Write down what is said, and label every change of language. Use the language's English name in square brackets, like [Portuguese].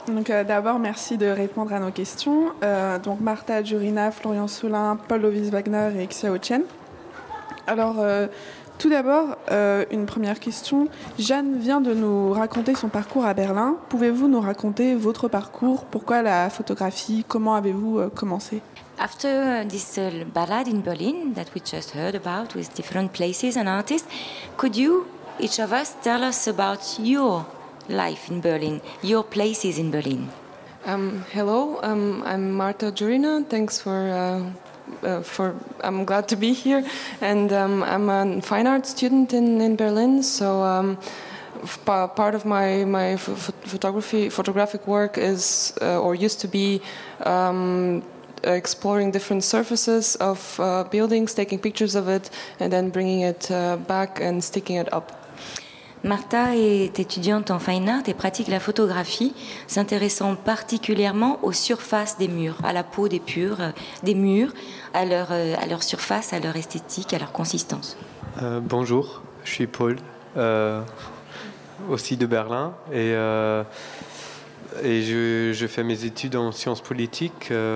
[French] Donc, d'abord, merci de répondre à nos questions. Donc Marta Djurina, Florian Solin, Paul Lovis Wagner et Xia Qian. Alors, tout d'abord, une première question. Jeanne vient de nous raconter son parcours à Berlin. Pouvez-vous nous raconter votre parcours? Pourquoi la photographie? Comment avez-vous commencé? [English] After this ballade in Berlin that we just heard about with different places and artists, could you, each of us, tell us about your life in Berlin, your places in Berlin? Hello, I'm Marta Djurina. Thanks for... I'm glad to be here, and I'm a fine arts student in Berlin. So part of my photographic work is or used to be exploring different surfaces of buildings, taking pictures of it, and then bringing it back and sticking it up. [French] Marta est étudiante en fine art et pratique la photographie, s'intéressant particulièrement aux surfaces des murs, à la peau des purs, des murs, à leur surface, à leur esthétique, à leur consistance. Bonjour, je suis Paul, aussi de Berlin, et je fais mes études en sciences politiques.